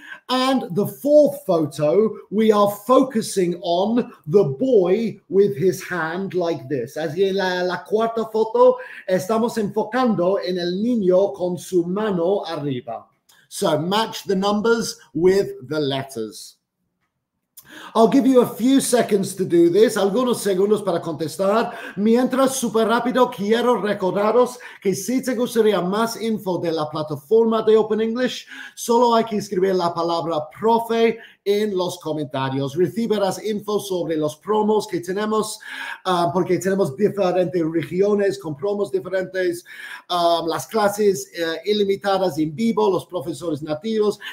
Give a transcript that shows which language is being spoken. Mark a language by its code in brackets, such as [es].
[en] And the fourth photo, we are focusing on the boy with his hand like this. [es] Así en la cuarta foto, estamos enfocando en el niño con su mano arriba. [en] So match the numbers with the letters. I'll give you a few seconds to do this. [es] Algunos segundos para contestar. Mientras, súper rápido, quiero recordaros que si te gustaría más info de la plataforma de Open English, solo hay que escribir la palabra profe en los comentarios. Recibirás info sobre los promos que tenemos, porque tenemos diferentes regiones con promos diferentes, las clases ilimitadas en vivo, los profesores nativos.